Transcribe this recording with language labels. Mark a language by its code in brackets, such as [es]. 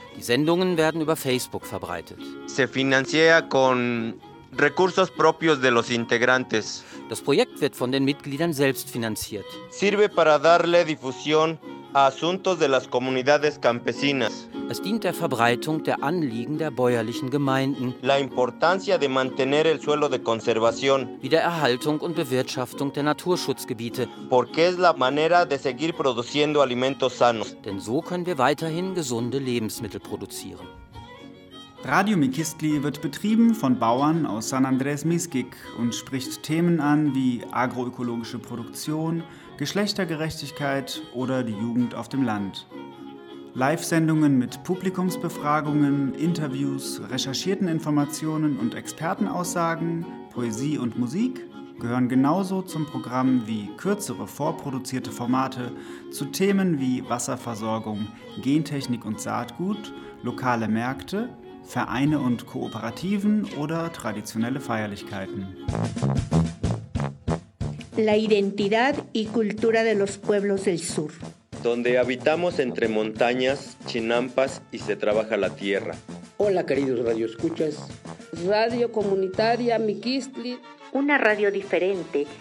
[de] Die Sendungen werden über Facebook verbreitet. [es] Se financia con recursos propios de los integrantes. [de] Das Projekt wird von den Mitgliedern selbst finanziert. [es] Sirve para darle difusión a asuntos de las comunidades campesinas. [de] Es dient der Verbreitung der Anliegen der bäuerlichen Gemeinden. [es] La importancia de mantener el suelo de conservación. [de] Wie der Erhaltung und Bewirtschaftung der Naturschutzgebiete. [es] Porque es la manera de seguir produciendo alimentos sanos. [de] Denn so können wir weiterhin gesunde Lebensmittel produzieren. Radio Mikistli wird betrieben von Bauern aus San Andrés Miskik und spricht Themen an wie agroökologische Produktion, Geschlechtergerechtigkeit oder die Jugend auf dem Land. Live-Sendungen mit Publikumsbefragungen, Interviews, recherchierten Informationen und Expertenaussagen, Poesie und Musik gehören genauso zum Programm wie kürzere vorproduzierte Formate zu Themen wie Wasserversorgung, Gentechnik und Saatgut, lokale Märkte, Vereine und Kooperativen oder traditionelle Feierlichkeiten. [es] La identidad y cultura de los pueblos del sur. Donde habitamos entre montañas, chinampas y se trabaja la tierra. Hola, queridos radioescuchas. Radio Comunitaria Mikistli. Una radio diferente,